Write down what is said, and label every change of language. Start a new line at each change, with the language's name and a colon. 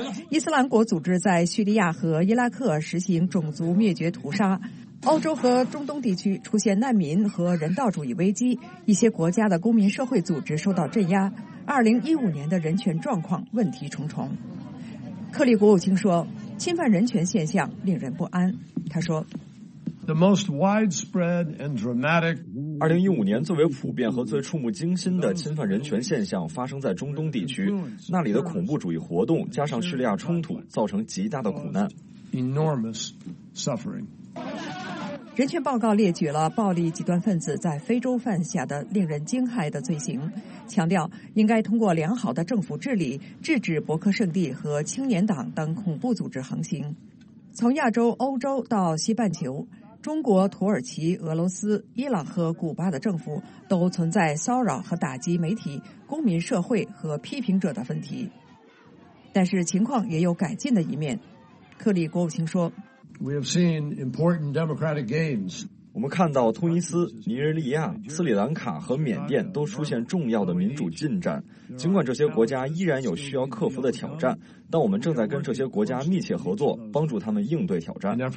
Chinese: 伊斯兰国组织在叙利亚和伊拉克实行种族灭绝屠杀，欧洲和中东地区出现难民和人道主义危机，一些国家的公民社会组织受到镇压，2015年的人权状况问题重重。克里国务卿说，侵犯人权现象令人不安。他说
English: The most widespread and dramatic
Chinese: 2015年最为普遍和最触目惊心的侵犯人权现象发生在中东地区，那里的恐怖主义活动加上叙利亚冲突造成极大的苦难
English: enormous suffering。
Chinese: 人权报告列举了暴力极端分子在非洲犯下的令人惊骇的罪行，强调应该通过良好的政府治理制止博克圣地和青年党等恐怖组织横行。从亚洲、欧洲到西半球，中国、土耳其、俄罗斯、伊朗和古巴的政府都存在骚扰和打击媒体、公民社会和批评者的问题，但是情况也有改进的一面。克里国务卿说，
English: We have seen important democratic gains.
Chinese: 我们看到突尼斯、尼日利亚、斯里兰卡和缅甸都出现重要的民主进展。尽管这些国家依然有需要克服的挑战，但我们正在跟这些国家密切合作，帮助他们应对挑战。